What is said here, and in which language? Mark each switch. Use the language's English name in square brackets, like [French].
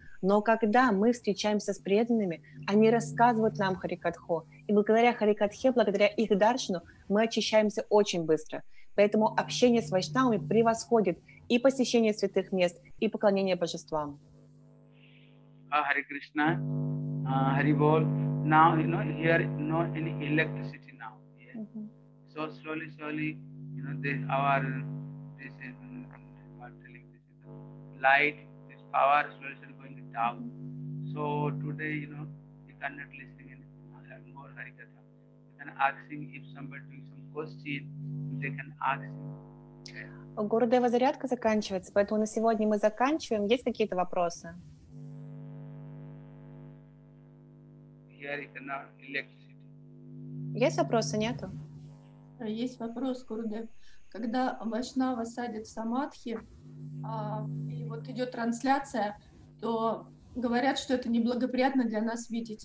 [Russian] Но когда мы встречаемся с преданными, они рассказывают нам Харикатху. И благодаря Харикатхе, благодаря их даршану, мы очищаемся очень быстро. Поэтому общение с вайшнавами превосходит и посещение святых мест, и поклонение божествам. [Sanskrit] Hare Krishna, Hare Bol. [English] Now, you know, here not any electricity now. Yeah. Mm-hmm. So slowly, slowly, you know, this power is going down. So today, you know, you cannot listen in more Harikatha. You can ask if somebody doing some question, they can ask. [Russian] Гурудева зарядка заканчивается, поэтому на сегодня мы заканчиваем. Есть какие-то вопросы? [English] Here is not electricity. [Russian] Есть вопросы? Нету? Есть вопрос, Гурудев. Когда вайшнава садит в самадхи, и вот идет трансляция, то говорят, что это неблагоприятно для нас видеть.